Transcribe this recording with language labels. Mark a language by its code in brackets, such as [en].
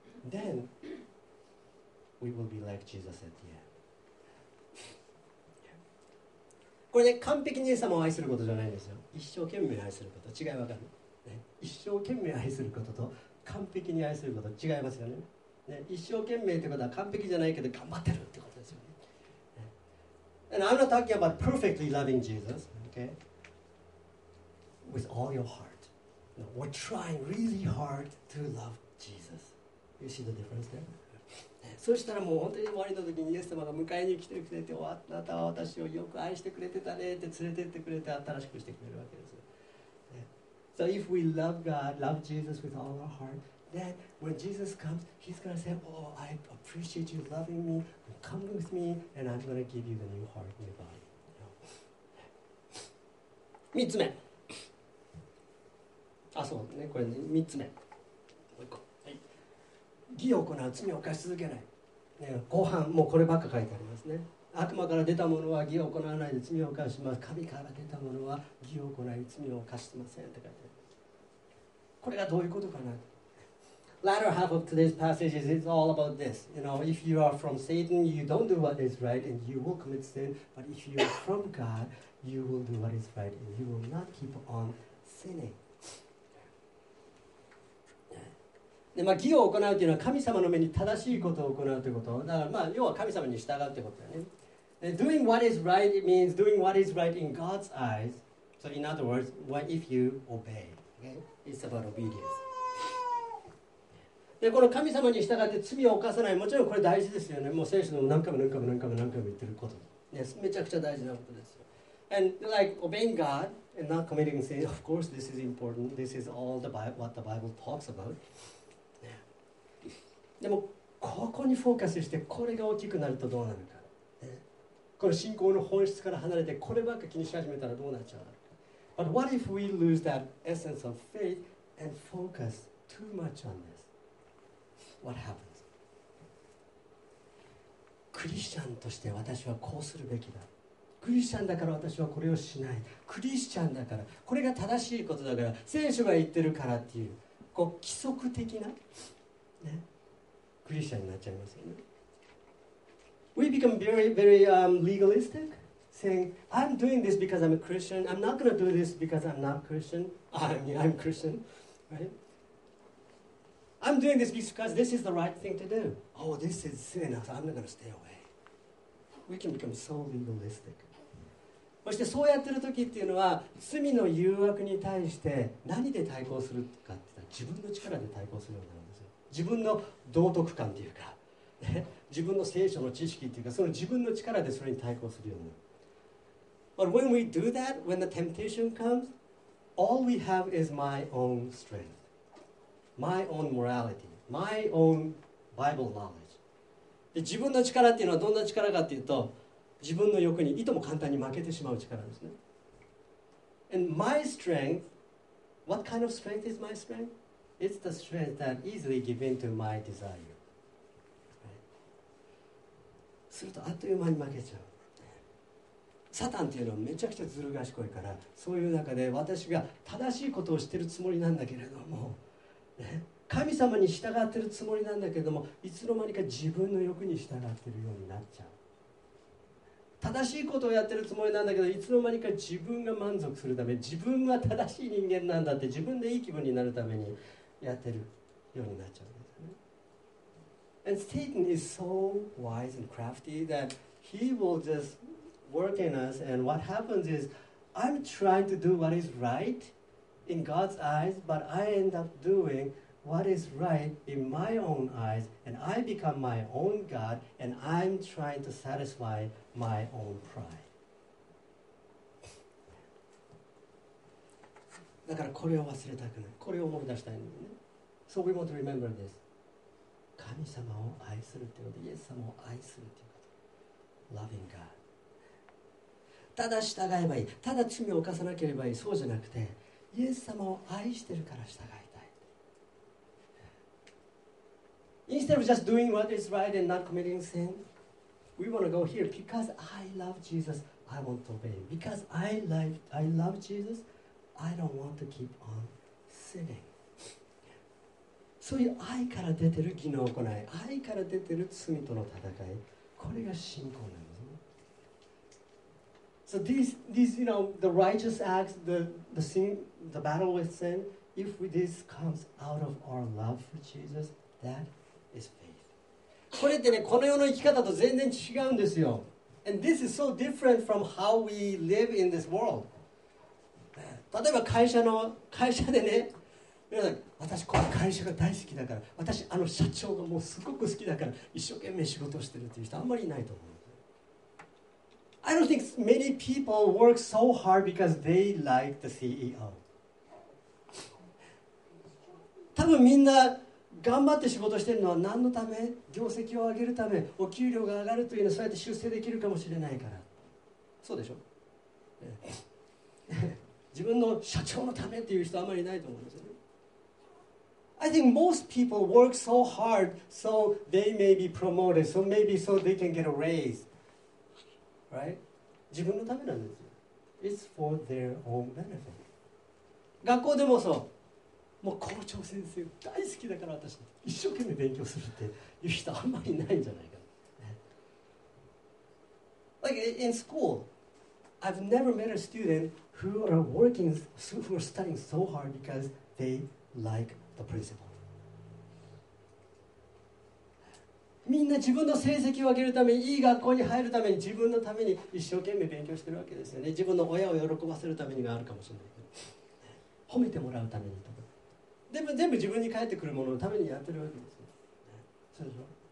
[en] Then we will be like Jesus at the end. [ja] これね、完璧にイエス様を愛することじゃないんですよ。一生懸命愛すること、違いわかる、ね、一生懸命愛することと完璧に愛すること、違いますよ ね。一生懸命ってことは完璧じゃないけど頑張ってるってことですよ ね。 [en] ね And I'm not talking about perfectly loving Jesus, okay? With all your heart. No, we're trying really hard to love Jesus. You see the difference there? [ja] そしたらもう本当に終わりの時にイエス様が迎えに来てくれて、あなたは私をよく愛してくれてたねって連れてってくれて新しくしてくれるわけです。 [en] So if we love God, love Jesus with all our heart, then when Jesus comes, he's going to say, Oh, I appreciate you loving me. Come with me and I'm going to give you the new heart, new body. [ja] 三つ目。あ、そうね。これ三つ目。義を行う、罪を犯し続けない、ね、後半もうこればっか書いてありますね。悪魔から出たものは義を行わないで罪を犯します。神から出たものは義を行い罪を犯してませんって書いてあります。これがどういうことかな。 [en] Latter half of today's passage is all about this. You know, if you are from Satan, you don't do what is right and you will commit sin. But if you are from God, you will do what is right and you will not keep on sinning. [ja] でまあ、義を行うというのは神様の目に正しいことを行うということ。だからまあ要は神様に従うということだね。 [en] Doing what is right means doing what is right in God's eyes. So in other words, what if you obey? Okay? It's about obedience. [ja] でこの神様に従って罪を犯さない。もちろんこれ大事ですよね。もう聖書でも何回も何回も何回も何回も言ってること、ね。めちゃくちゃ大事なことですよ。 [en] And like obeying God and not committing sin. Of course, this is important. This is all what the Bible talks about. [ja] でもここにフォーカスしてこれが大きくなるとどうなるか、ね、この信仰の本質から離れてこればっか気にし始めたらどうなっちゃうか。 [en] But what if we lose that essence of faith and focus too much on this? What happens? [ja] クリスチャンとして私はこうするべきだ。クリスチャンだから私はこれをしない。クリスチャンだからこれが正しいことだから聖書が言ってるからっていう、こう規則的なね、クリスチャンになっちゃいますよね。 [en] We become very, very, legalistic, saying, I'm doing this because I'm a Christian. I'm not going to do this because I'm not Christian. I'm Christian, right? I'm doing this because this is the right thing to do. Oh, this is sin, so I'm not going to stay away. We can become so legalistic. [ja] そしてそうやってる時っていうのは、罪の誘惑に対して何で対抗するかって言ったら、自分の力で対抗するようになる。自分の道徳感というか、ね、自分の聖書の知識というか、その自分の力でそれに対抗するようになる。 [en] But when we do that, when the temptation comes, all we have is my own strength, my own morality, my own Bible knowledge. [ja] で、自分の力っていうのはどんな力かっていうと、自分の欲にいとも簡単に負けてしまう力ですね。 [en] And my strength, what kind of strength is my strength? It's the strength that easily give in to my desire. [ja] するとあっという間に負けちゃう。サタンっていうのはめちゃくちゃずる賢いから、そういう中で私が正しいことをしているつもりなんだけれども、ね、神様に従っているつもりなんだけれども、いつの間にか自分の欲に従っているようになっちゃう。正しいことをやっているつもりなんだけど、いつの間にか自分が満足するため、自分は正しい人間なんだって自分でいい気分になるためにやっているようになっちゃう。 [en] And Satan is so wise and crafty that he will just work in us. And what happens is, I'm trying to do what is right in God's eyes, but I end up doing what is right in my own eyes, and I become my own God, and I'm trying to satisfy my own pride. [ja] だからこれを忘れたくない。これを思い出したいんだよね。 [en] So we want to remember this. [ja] 神様を愛するっていうこと、イエス様を愛するっていうこと、 [en] Loving God。 [ja] ただ従えばいい、ただ罪を犯さなければいい、そうじゃなくて、イエス様を愛してるから従いたい。 [en] Instead of just doing what is right and not committing sin, we want to go here because I love Jesus. I want to obey. Because I love Jesus, I don't want to keep on sinning. [ja] そういう愛から出てる義の行い、愛から出てる罪との戦い、これが信仰なんですね。 [en] So these you know, the righteous acts, the sin, the battle with sin, if this comes out of our love for Jesus, that is faith. [ja] これってね、この世の生き方と全然違うんですよ。 [en] And this is so different from how we live in this world. [ja] 例えば会社でね、私この会社が大好きだから、私あの社長がもうすごく好きだから一生懸命仕事してるっていう人あんまりいないと思う。 [en] I don't think many people work so hard because they like the CEO. [ja] 多分みんな頑張って仕事してるのは何のため？業績を上げるため、お給料が上がるというのは、そうやって出世できるかもしれないから。そうでしょ？自分の社長のためっていう人あんまりいないと思うんですよね。 [en] I think most people work so hard so they may be promoted, so maybe so they can get a raise. Right? [ja] 自分のためなんですよ。 [en] It's for their own benefit. [ja] 学校でもそう。もう校長先生大好きだから私、一生懸命勉強するって言う人あんまりないんじゃないか。 [en] Like in school, I've never met a student who are working, who are studying so hard because they like. [ja] みんな自分の成績を上げるため、いい学校に入るために、自分のために一生懸命勉強してるわけですよね。自分の親を喜ばせるためにがあるかもしれないけど、褒めてもらうためにとか、全部自分に返ってくるもののためにやってるわけですよ。そうでしょ？